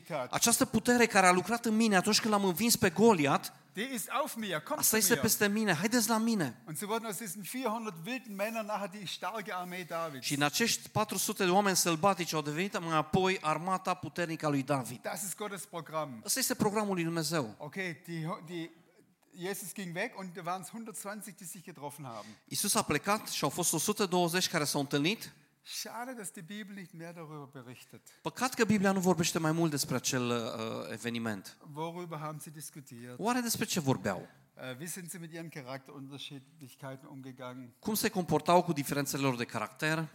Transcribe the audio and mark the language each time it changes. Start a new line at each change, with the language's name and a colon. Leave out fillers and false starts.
Romanian: Această putere care a lucrat în mine atunci când l-am învins pe Goliat.
German: Die ist auf mir, komm zu mir.
Romanian: Asta este peste mine, haideți la mine.
German: Und so wurden aus diesen 400 wilden Männern nachher die starke Armee Davids.
Romanian: Și acești 400 de oameni sălbatici au devenit mai apoi armata puternică a lui David.
German: Das ist Gottes Programm.
Romanian: Asta este programul lui Dumnezeu.
German: Okay, die Jesus ging weg und da waren es 120, die sich getroffen haben.
Romanian: Iisus a plecat și au fost 120 care s-au întâlnit.
German: Schade, dass die Bibel nicht mehr darüber berichtet.
Romanian: Păcat că Biblia nu vorbește mai mult despre acel eveniment.
German: Worüber haben sie diskutiert?
Romanian: Oare despre ce vorbeau?
German: Wie sind sie mit ihren Charakterunterschiedlichkeiten umgegangen?
Romanian: Cum se comportau cu diferențele lor de caracter?